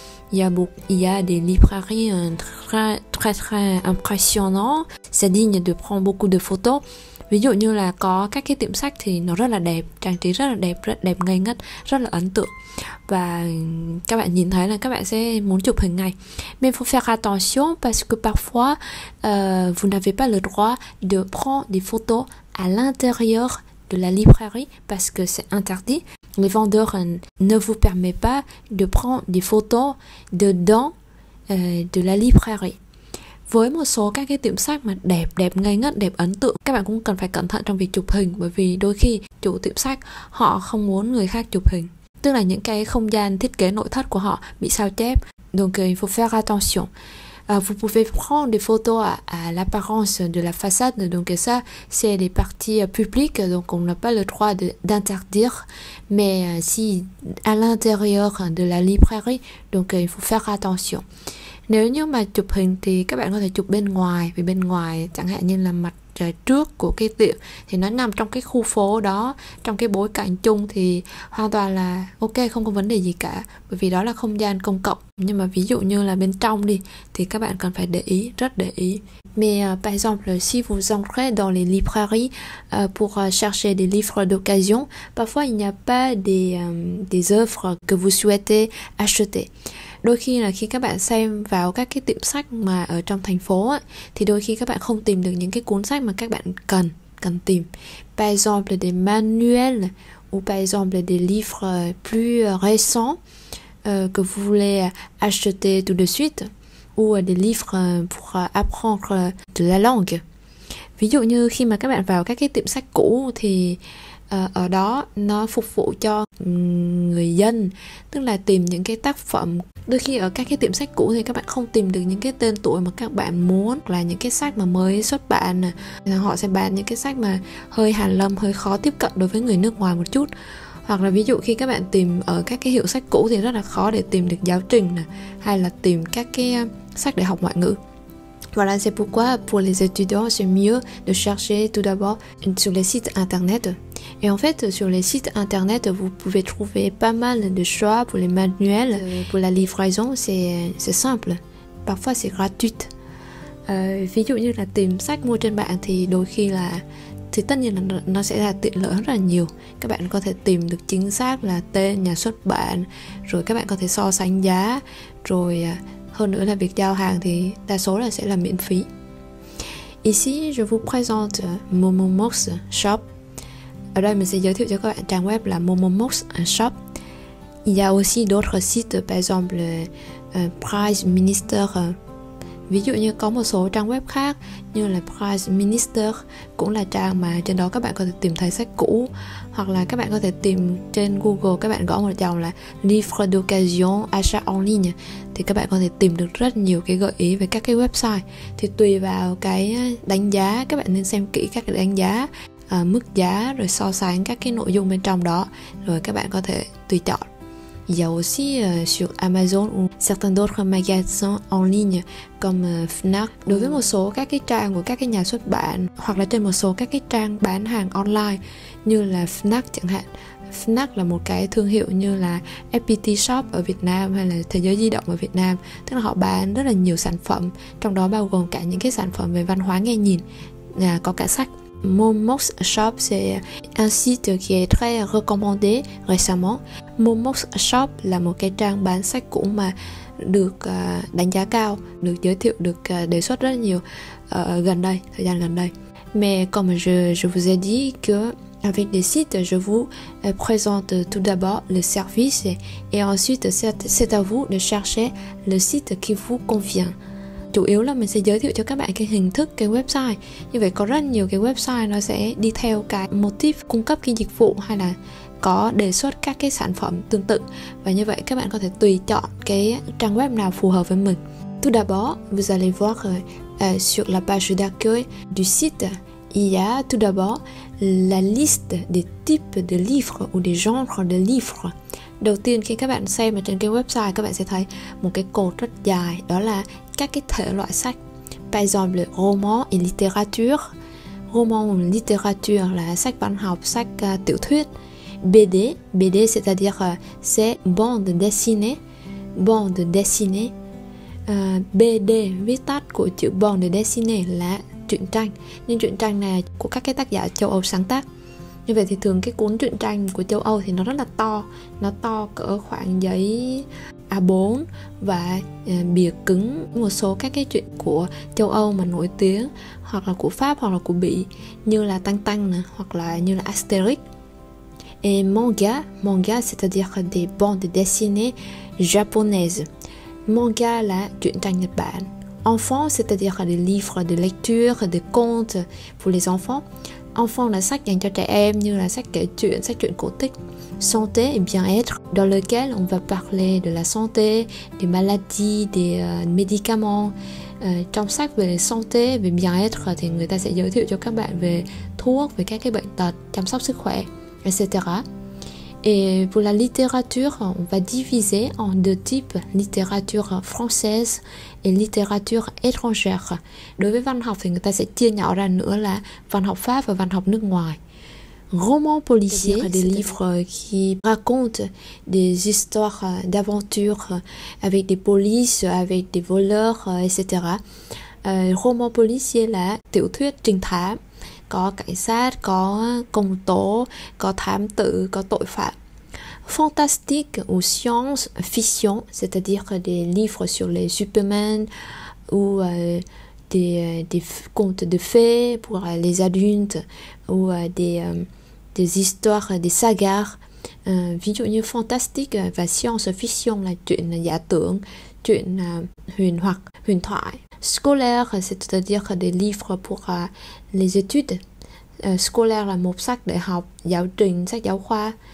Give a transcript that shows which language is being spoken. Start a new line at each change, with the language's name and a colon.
French: Il y a des librairies très très impressionnantes, c'est digne de prendre beaucoup de photos.
Vietnamese: Ví dụ như là có các cái tiệm sách thì nó rất là đẹp, trang trí rất đẹp ngây ngất, rất là ấn tượng. Và các bạn nhìn thấy là các bạn sẽ muốn chụp hình ngay.
French: Mais faut faire attention parce que parfois vous n'avez pas le droit de prendre des photos à l'intérieur de la librairie parce que c'est interdit. Les vendeurs ne vous permettent pas de prendre des photos dedans de la librairie.
Vietnamese: Với một số các cái tiệm sách mà đẹp, đẹp ngây ngất, đẹp ấn tượng, các bạn cũng cần phải cẩn thận trong việc chụp hình bởi vì đôi khi chủ tiệm sách họ không muốn người khác chụp hình. Tức là những cái không gian thiết kế nội thất của họ bị sao chép.
French: Donc il faut faire attention. Vous pouvez prendre des photos à l'apparence de la façade, donc ça c'est les parties publiques, donc on n'a pas le droit d'interdire, mais si à l'intérieur de la librairie, donc il faut faire attention.
Vietnamese: Nếu như mà chụp hình thì các bạn có thể chụp bên ngoài, vì bên ngoài chẳng hạn như là mặt trước của cái tiệm thì nó nằm trong cái khu phố đó, trong cái bối cảnh chung thì hoàn toàn là ok, không có vấn đề gì cả, bởi vì đó là không gian công cộng. Nhưng mà ví dụ như là bên trong đi thì các bạn cần phải để ý, rất để ý.
French: Mais par exemple, si vous entrez dans les librairies pour chercher des livres d'occasion, parfois il n'y a pas des œuvres que vous souhaitez acheter.
Vietnamese: Đôi khi là khi các bạn xem vào các cái tiệm sách mà ở trong thành phố á, thì đôi khi các bạn không tìm được những cái cuốn sách mà các bạn cần tìm.
French: Par exemple des manuels ou par exemple des livres plus récents que vous voulez acheter tout de suite ou des livres pour apprendre de la langue.
Vietnamese: Ví dụ như khi mà các bạn vào các cái tiệm sách cũ thì ở đó nó phục vụ cho người dân, tức là tìm những cái tác phẩm. Đôi khi ở các cái tiệm sách cũ thì các bạn không tìm được những cái tên tuổi mà các bạn muốn, hoặc là những cái sách mà mới xuất bản, là họ sẽ bán những cái sách mà hơi hàn lâm, hơi khó tiếp cận đối với người nước ngoài một chút. Hoặc là ví dụ khi các bạn tìm ở các cái hiệu sách cũ thì rất là khó để tìm được giáo trình nè, hay là tìm các cái sách để học ngoại ngữ.
French: Voilà, c'est pourquoi pour les étudiants, c'est mieux de chercher tout d'abord sur les sites internet. Et en fait, sur les sites internet, vous pouvez trouver pas mal de choix pour les manuels. Pour la livraison, c'est simple. Parfois, c'est gratuit.
Vietnamese: Ví dụ như là tìm sách mua trên mạng thì đôi khi là, thì tất nhiên là nó sẽ là tiện lợi rất là nhiều. Các bạn có thể tìm được chính xác là tên nhà xuất bản, rồi các bạn có thể so sánh giá, rồi hơn nữa là việc giao hàng thì đa số là sẽ là miễn phí.
French: Ici, je vous présente Momomox Shop.
Vietnamese: Ở đây mình sẽ giới thiệu cho các bạn trang web là Momomox Shop.
French: Il y a aussi d'autres sites, par exemple Price Minister.
Vietnamese: Ví dụ như có một số trang web khác như là Price Minister, cũng là trang mà trên đó các bạn có thể tìm thấy sách cũ, hoặc là các bạn có thể tìm trên Google, các bạn gõ một dòng là
French: livre d'occasion achat en ligne
Vietnamese: thì các bạn có thể tìm được rất nhiều cái gợi ý về các cái website. Thì tùy vào cái đánh giá, các bạn nên xem kỹ các cái đánh giá, mức giá, rồi so sánh các cái nội dung bên trong đó, rồi các bạn có thể tùy chọn.
French: Il y a aussi sur Amazon ou certains d'autres magasins en ligne comme Fnac.
Vietnamese: Đối với một số các cái trang của các cái nhà xuất bản hoặc là trên một số các cái trang bán hàng online như là Fnac chẳng hạn. Fnac là một cái thương hiệu như là FPT Shop ở Việt Nam hay là Thế Giới Di Động ở Việt Nam. Tức là họ bán rất là nhiều sản phẩm, trong đó bao gồm cả những cái sản phẩm về văn hóa nghe nhìn, có cả sách.
French: Momox Shop, c'est un site qui est très recommandé récemment.
Vietnamese: Momox Shop là một cái trang bán sách cũ mà được đánh giá cao, được giới thiệu, được đề xuất rất nhiều gần đây, thời gian gần đây.
French: Mais comme je vous ai dit que avec les sites, je vous présente tout d'abord le service et ensuite c'est à vous de chercher le site qui vous convient.
Vietnamese: Chủ yếu là mình sẽ giới thiệu cho các bạn cái hình thức cái website. Như vậy có rất nhiều cái website nó sẽ đi theo cái motif cung cấp cái dịch vụ hay là có đề xuất các cái sản phẩm tương tự. Và như vậy các bạn có thể tùy chọn cái trang web nào phù hợp với mình.
French: Tout d'abord, vous allez voir sur la page d'accueil du site, il y a tout d'abord la liste des types de livres ou des genres de livres.
Vietnamese: Đầu tiên khi các bạn xem ở trên cái website, các bạn sẽ thấy một cái cột rất dài, đó là các cái thể loại sách.
French: Par exemple, roman et littérature.
Vietnamese: Roman littérature là sách văn học, sách tiểu thuyết.
French: BD, BD c'est-à-dire c'est bande dessinée. Bande dessinée.
Vietnamese: BD viết tắt của chữ bande dessinée là truyện tranh. Nhưng truyện tranh này của các cái tác giả châu Âu sáng tác. Như vậy thì thường cái cuốn truyện tranh của châu Âu thì nó rất là to. Nó to cỡ khoảng giấy A4 và bìa cứng. Một số các cái truyện của châu Âu mà nổi tiếng, hoặc là của Pháp hoặc là của Bỉ, như là Tintin nè, hoặc là như là Asterix.
French: Et manga, manga c'est-à-dire des bandes dessinées japonaises.
Vietnamese: Manga là truyện tranh Nhật Bản.
French: Enfant, c'est-à-dire des livres de lecture, des contes pour les enfants.
Vietnamese: Enfant là sách dành cho trẻ em, như là sách kể chuyện, sách truyện cổ tích.
French: Santé et bien-être, dans lequel on va parler de la santé, des maladies, des médicaments.
Vietnamese: Trong sách về santé, về bien-être thì người ta sẽ giới thiệu cho các bạn về thuốc, về các cái bệnh tật, chăm sóc sức khỏe, etc.
French: Et pour la littérature, on va diviser en deux types, littérature française et littérature étrangère.
Vietnamese: Đối với văn học thì người ta sẽ chia nhỏ ra nữa là văn học Pháp và văn học nước ngoài.
French: Roman policier, des livres qui racontent des histoires d'aventures avec des polices, avec des voleurs, etc.
Vietnamese: Roman policier là tiểu thuyết trinh thám, có cảnh sát, có công tố, có thám tử, có tội phạm.
French: Fantastique ou science fiction, c'est-à-dire des livres sur les Superman ou des contes de fées pour les adultes ou des histoires, des sagas.
Vietnamese: Ví dụ như fantastique và science fiction là chuyện giả tưởng, chuyện huyền hoặc, huyền thoại.
French: Scolaire, c'est-à-dire des livres pour les études.
Vietnamese: scolaire, mon sac de học, giáo trình, sách giáo khoa.